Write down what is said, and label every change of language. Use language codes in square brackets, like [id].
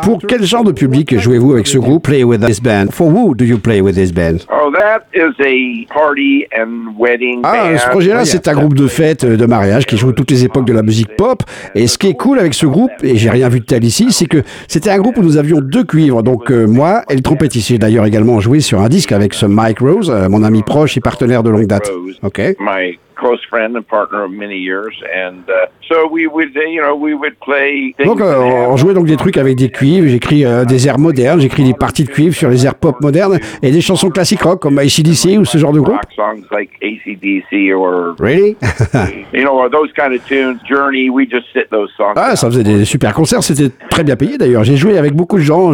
[fr] Pour quel genre de public jouez-vous avec ce groupe? [en] Play with this band. For who do you play with this band? Oh, that is a party and wedding band. [fr] Ah, ce projet-là, c'est un groupe de fête, de mariage, qui joue toutes les époques de la musique pop. Et ce qui est cool avec ce groupe, et j'ai rien vu de tel ici, c'est que c'était un groupe où nous avions deux cuivres. Donc moi et le trompettiste. J'ai d'ailleurs également joué sur un disque avec ce Mike Rose, mon ami proche et partenaire de longue date. Ok. Mike. [en] close friend and partner of many years, and so we would, you know, we would play. [fr] Donc, on jouait donc des trucs avec des cuivres. J'écris des airs modernes. J'écris des parties de cuivre sur les airs pop modernes et des chansons classiques rock comme AC/DC ou ce genre de groupe. [en] Songs like AC/DC or really, you know, those kind of tunes. Journey, we just sit those songs. [fr] Ah, ça faisait des super concerts. C'était très bien payé d'ailleurs. J'ai joué avec beaucoup de gens.